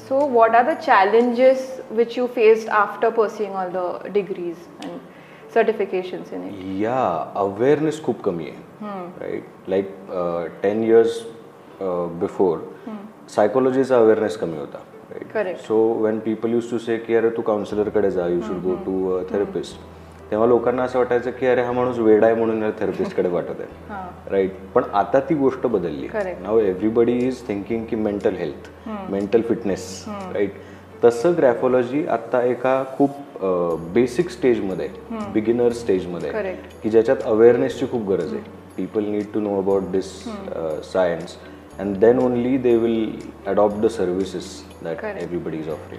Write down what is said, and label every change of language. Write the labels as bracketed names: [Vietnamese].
[English] So, what are the challenges which you faced after pursuing all the degrees and certifications in it? Yeah, awareness [Marathi] khup kami hai, [English] right? Like 10 years before, psychologist awareness [Marathi] kami hota, [English] right? Correct. So, when people used to say, [Marathi] ki are tu counselor kade ja, [English] you should go to a therapist. [Marathi] तेव्हा लोकांना असं वाटायचं की अरे हा माणूस वेड आहे म्हणून थेरपिस्टकडे वाटत आहे, राईट? पण आता ती गोष्ट बदलली. [English] Now everybody is thinking की mental health, mental fitness, right? [Marathi] तसं ग्रॅफॉलॉजी आता एका खूप बेसिक स्टेजमध्ये, बिगिनर स्टेजमध्ये, की ज्याच्यात अवेअरनेसची खूप गरज आहे. [English] People need to know about this science and then only they will adopt the services that everybody is offering.